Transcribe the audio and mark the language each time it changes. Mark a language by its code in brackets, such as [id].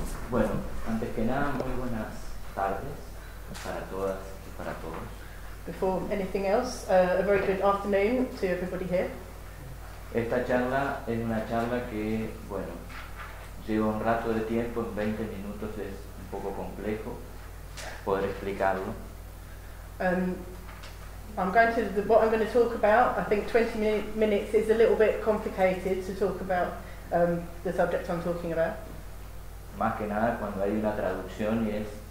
[es] Bueno, antes que nada, muy buenas tardes para todas y para todos. [en] Before anything else, a very good afternoon to everybody here. [es] Esta charla es una charla que, bueno, lleva un rato de tiempo, en 20 minutos es un poco complejo poder explicarlo. [en] What I'm going to talk about, I think 20 minutes is a little bit complicated to talk about the subject I'm talking about. [es] Más que nada cuando hay una traducción y es